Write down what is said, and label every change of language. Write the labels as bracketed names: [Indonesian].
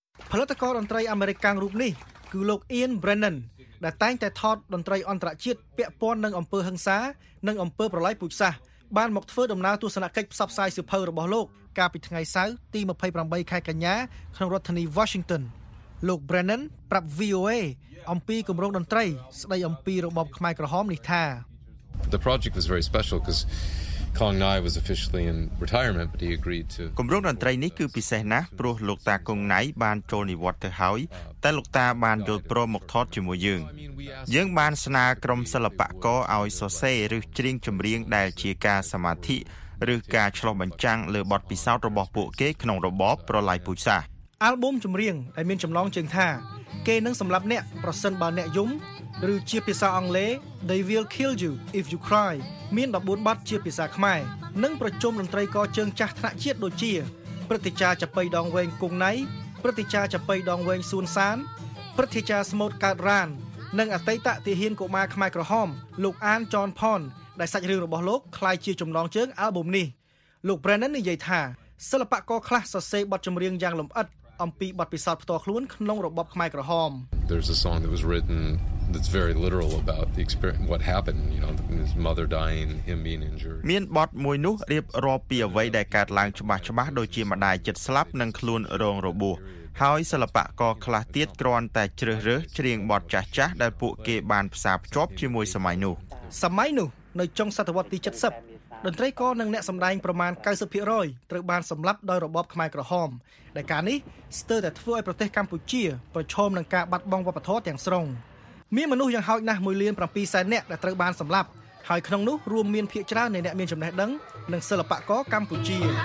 [Khmer] ផលិតករតន្ត្រីអាមេរិកកាំងរូបនេះគឺលោក Ian Brennan ដែលតែងតែថតតន្ត្រីអន្តរជាតិពាក់ព័ន្ធនឹងអំពើហិង្សានិងអំពើប្រល័យពូជសាសន៍បានមកធ្វើដំណើរទស្សនកិច្ចផ្សព្វផ្សាយសិភៅរបស់លោកកាលពីថ្ងៃសៅរ៍ទី28ខែកញ្ញាក្នុងរដ្ឋធានី Washington លោក Brennan ប្រាប់ VOA អំពីកម្រងតន្ត្រីស្ដីអំពីរបបខ្មែរក្រហមនេះថា [English] The project was very special becauseKong Nai was officially in retirement but he agreed to [Khmer] គម្រោងតន្ត្រីនេះគឺពិសេសណាស់ព្រោះលោកតាគង់ណៃបានចូលនិវត្តន៍ទៅហើយតែលោកតាបានយល់ព្រមមកថតជាមួយយើងយើងបានស្នើក្រុមសិល្បករឲ្យសរសេរឬច្រៀងចម្រៀងដែលជាការសមាធិឬការឆ្លុះបញ្ចាំងលើបទពិសោធន៍របស់ពួកគេក្នុងរបបប្រល័យពូជសាសន៍ Album ចម្រៀងដែលមានចំណងជើងថាគេនឹងសម្លាប់អ្នកប្រសិនបើអ្នកយំឬជាភាសាអង់គ្លេស [English] They will kill you if you cry [Khmer] មាន14បទជាភាសាខ្មែរនិងប្រជុំតន្ត្រីករជើងចាស់ថ្នាក់ជាតិដូចជាព្រឹទ្ធាចារ្យចាប៉ីដងវែងគង់ណៃព្រឹទ្ធាចារ្យចាប៉ីដងវែងស៊ុនសាន ព្រឹទ្ធាចារ្យស្មូតកើតរ៉ាននិងអតីតទាហានកុមារខ្មែរក្រហមលោកអានចនផនដែលសាច់រឿងរបស់លោកខ្លាយជាចំណងជើង album នេះលោក Brennan និយាយថាសិល្បករខ្លះសរសេរបទចម្រៀងយ៉ាងលម្អិតអំពីបទពិសោធន៍ផ្ទាល់ខ្លួនក្នុងរបបខ្មែរក្រហម [English] There's a song that was written that's very literal about the experience what happened you know his mother dying him being injured [Khmer] មានបទមួយនោះរៀបរាប់ពីអ្វីដែលកើតឡើងច្បាស់ច្បាស់ដោយជាម្ដាយចិត្តស្លាប់និងខ្លួនរងរបួសហើយសិល្បករខ្លះទៀតគ្រាន់តែជ្រើសរើសច្រៀងបទចាស់ចាស់ដែលពួកគេបានផ្សារភ្ជាប់ជាមួយសម័យនោះ សម័យនោះនៅចុងសតវត្សទី70តន្ត្រីករនិងអ្នកសម្ដែងប្រមាណ 90% ត្រូវបានសម្លាប់ដោយរបបខ្មែរក្រហមដែលការនេះស្ទើរតែធ្វើឲ្យប្រទេសកម្ពុជាប្រឈមនឹងការបាត់បង់វប្បធម៌ទាំងស្រុងមានមនុស្សយ៉ាងហោចណាស់1,700,000នាក់ដែលត្រូវបានសម្លាប់ហើយក្នុងនោះរួមមានភាគច្រើននៃអ្នកមានចំណេះដឹងនិងសិល្បករកម្ពុជា